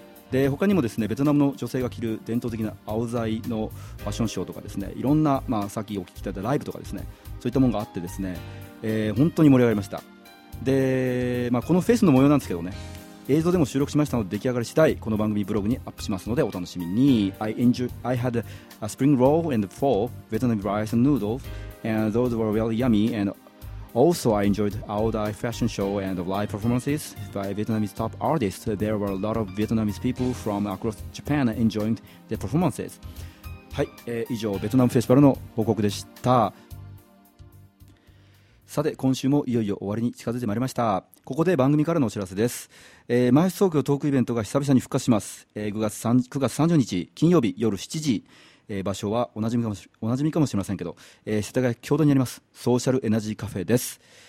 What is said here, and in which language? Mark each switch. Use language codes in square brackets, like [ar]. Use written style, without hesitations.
[ja] で他にもですね、ベトナムの女性が着る伝統的なアオザイのファッションショーとかですね、いろんな、まあ、さっきお聞きいただいたライブとかですね、そういったものがあってですね、本当に盛り上がりました。で、まあ、このフェスの模様なんですけどね、映像でも収録しましたので、出来上がり次第この番組ブログにアップしますのでお楽しみに。 [en] I had a spring roll and pho, Vietnamese rice and noodles, and those were really yummy. And also I enjoyed Ao Dai fashion show and live performances by Vietnamese top artists. There were a lot of Vietnamese people from across Japan enjoying the performances. [ja] はい、以上ベトナムフェスティバルの報告でした。さて今週もいよいよ終わりに近づいてまいりました。ここで番組からのお知らせです。マイス東京トークイベントが久々に復活します。9月30日金曜日夜7時、場所はおなじみかもしれませんけど、世田谷共同にありますソーシャルエナジーカフェです。